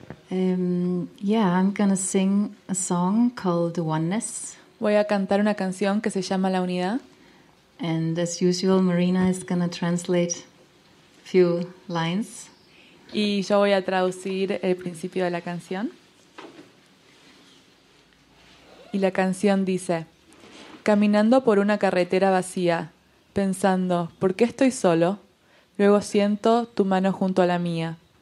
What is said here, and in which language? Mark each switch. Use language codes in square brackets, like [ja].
[en] Yeah, I'm gonna sing a song called Oneness. [es] Voy a cantar una canción que se llama La Unidad. [en] And as usual, Marina is gonna translate a few lines. [es] Y yo voy a traducir el principio de la canción. Y la canción dice: caminando por una carretera vacía, pensando, ¿por qué estoy solo? Luego siento tu mano junto a la mía.